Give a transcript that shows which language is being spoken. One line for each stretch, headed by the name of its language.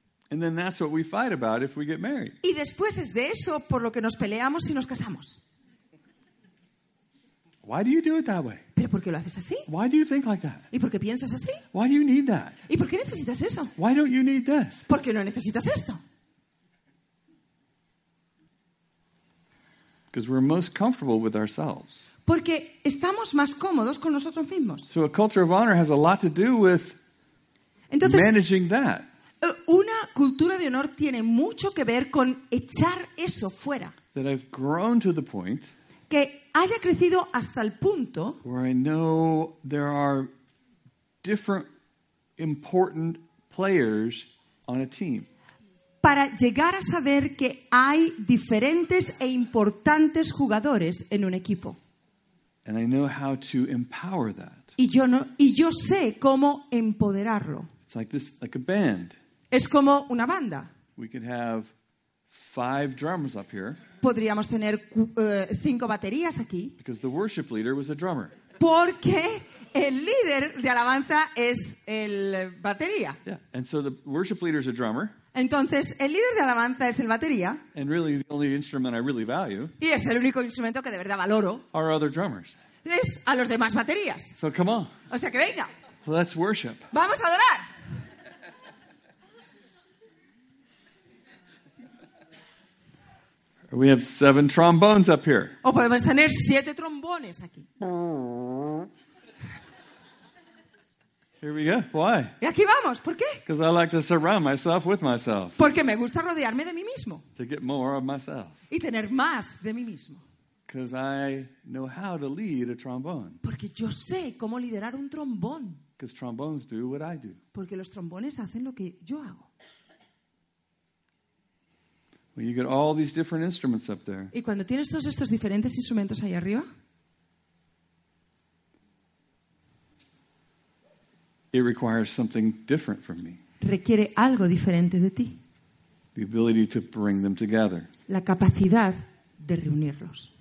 English: And then that's what we fight about if we get married.
Spanish: Y después es de eso por lo que nos peleamos si nos casamos.
English: Why do you do it that way?
Spanish: ¿Pero por qué lo haces así?
English: Why do you think like that?
Spanish: ¿Y por qué piensas así?
English: Why do you need that?
Spanish: ¿Y por qué necesitas eso?
English: Why don't you need this?
Spanish: ¿Por qué no necesitas esto?
English: Because we're most comfortable with ourselves.
Spanish: Porque estamos más cómodos con nosotros mismos.
English: So a culture of honor has a lot to do with
Spanish: entonces,
English: managing that.
Spanish: Una cultura de honor tiene mucho que ver con echar eso fuera.
English: That I've grown to the point
Spanish: que haya crecido hasta el punto
English: where I know there are different important players on a team.
Spanish: Para llegar a saber que hay diferentes e importantes jugadores en un equipo.
English: And I know how to empower that.
Spanish: Y yo sé cómo empoderarlo.
English: It's like this, like a band.
Spanish: Es como una banda.
English: We could have five drummers up here.
Spanish: Podríamos tener cinco baterías aquí.
English: Because the worship leader was a drummer.
Spanish: Porque el líder de alabanza es el batería.
English: Yeah. And so the worship leader is a drummer.
Spanish: Entonces, el líder de alabanza es el batería.
English: And really the only instrument I really value.
Spanish: Y es el único instrumento que de verdad valoro.
English: Are other drummers.
Spanish: Es a los demás baterías.
English: So come on.
Spanish: O sea que venga.
English: Let's worship.
Spanish: Vamos a adorar.
English: We have seven trombones up here.
Spanish: O podemos tener siete trombones aquí.
English: Here we go. Why?
Spanish: Y aquí vamos. ¿Por qué?
English: Because I like to surround myself with myself.
Spanish: Porque me gusta rodearme de mí mismo.
English: To get more of myself.
Spanish: Y tener más de mí mismo.
English: Because I know how to lead a trombone.
Spanish: Porque yo sé cómo liderar un trombón.
English: Because trombones do what I do.
Spanish: Porque los trombones hacen lo que yo hago.
English: When you get all these different instruments up there.
Spanish: Y cuando tienes todos estos diferentes instrumentos ahí arriba.
English: It requires something different from me.
Spanish: Requiere algo diferente de ti.
English: The ability to bring them together.
Spanish: La capacidad de reunirlos.